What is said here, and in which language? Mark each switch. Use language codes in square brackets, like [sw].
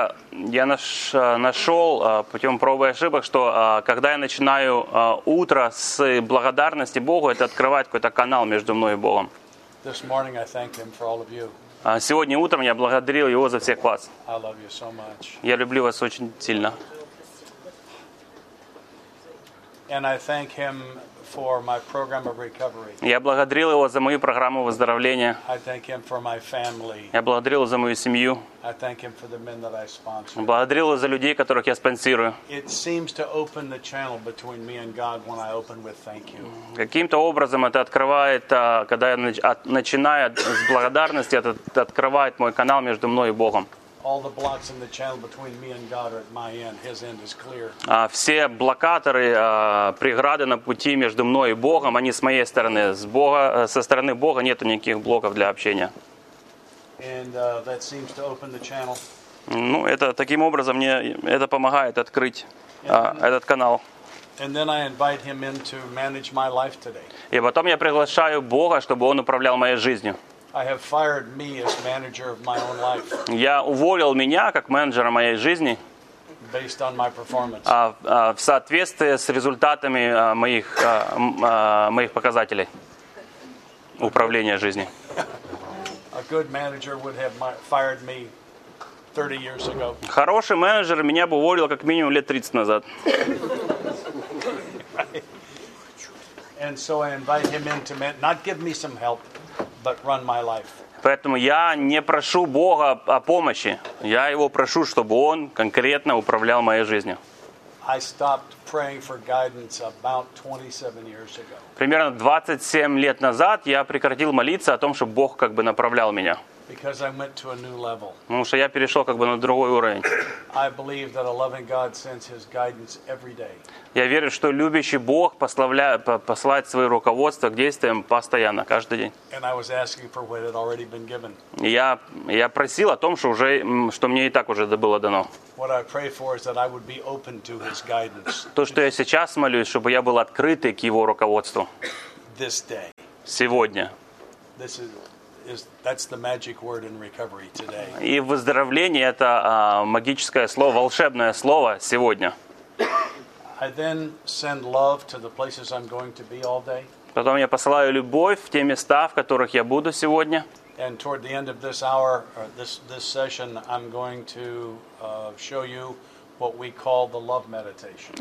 [ru] Я нашел путем проб и ошибок, что когда я начинаю утро с благодарности Богу, это открывает какой-то канал между мной и Богом. [en] This morning I thank Him for all of you. [ru] Сегодня утром я благодарил Его за всех вас. [en] I love you so much. [ru] Я люблю вас очень сильно. [en] And I thank Him for my program of recovery. [ru] Я благодарил его за мою программу выздоровления. [en] I thank him for my family. [ru] Я благодарил его за мою семью. [en] I thank him for the men that I sponsor. [ru] Благодарил его за людей, которых я спонсирую. [en] It seems to open the channel between me and God when I open with thank you. [ru] Каким-то образом это открывает, когда я начинаю с благодарности, это открывает мой канал между мной и Богом. [en] All the blocks in the channel between me and God are at my end. His end is clear. [ru] Все блокаторы, преграды на пути между мной и Богом, они с моей стороны. Со стороны Бога нету никаких блоков для общения. [en] And that seems to open the channel. [ru] Ну, это таким образом мне это помогает открыть этот канал. [en] And then I invite him in to manage my life today. [ru] И потом я приглашаю Бога, чтобы он управлял моей жизнью. [en] I have fired me as manager of my own life. [ru] Я уволил меня как менеджера моей жизни. [en] Based on my performance. [ru] В соответствии с результатами моих показателей управления жизни. [en] A good manager would have fired me 30 years ago. [ru] Хороший менеджер меня бы уволил как минимум лет 30 назад. [en] And so I invite him in to not give me some help. But run my life. [ru] Поэтому я не прошу Бога о помощи. Я его прошу, чтобы он конкретно управлял моей жизнью. [en] I stopped praying for guidance about 27 years ago. [ru] Примерно 27 лет назад я прекратил молиться о том, чтобы Бог как бы направлял меня. [en] Because I went to a new level. [ru] Потому что я перешел как бы на другой уровень. [en] I believe that a loving God sends his guidance every day. [ru] Я верю, что любящий Бог посылает свое руководство к действиям постоянно, каждый день. [en] And I was asking for what had already been given. [ru] Я просил о том, что мне и так уже было дано. [en] What I pray for is that I would be open to his guidance. [ru] То, что я сейчас молюсь, чтобы я был открытый к его руководству. [en] This day. [ru] Сегодня. [en] This is. That's the magic word in recovery today. [ru] И выздоровление это магическое слово, волшебное слово сегодня. [en] I then send love to the places I'm going to be all day. [ru] Потом я посылаю любовь в те места, в которых я буду сегодня. [en] And toward the end of this hour, or this session, I'm going to show you what we call the love meditation.